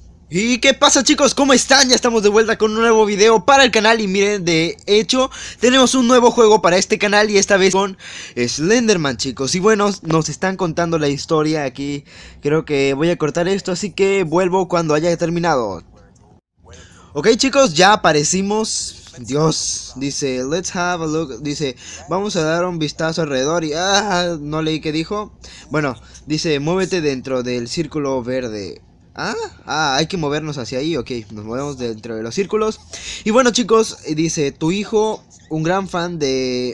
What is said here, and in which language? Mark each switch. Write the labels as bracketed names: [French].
[Spanish] Y qué pasa, chicos, ¿cómo están? Ya estamos de vuelta con un nuevo video para el canal. Y miren, de hecho, tenemos un nuevo juego para este canal y esta vez con Slenderman, chicos. Y bueno, nos están contando la historia aquí. Creo que voy a cortar esto, así que vuelvo cuando haya terminado. Ok, chicos, ya aparecimos. Dios, dice, [English] let's have a look. [Spanish] Dice, vamos a dar un vistazo alrededor. Y no leí qué dijo. Bueno, dice, muévete dentro del círculo verde. Hay que movernos hacia ahí, ok, nos movemos dentro de los círculos. Y bueno, chicos, dice, tu hijo, un gran fan de...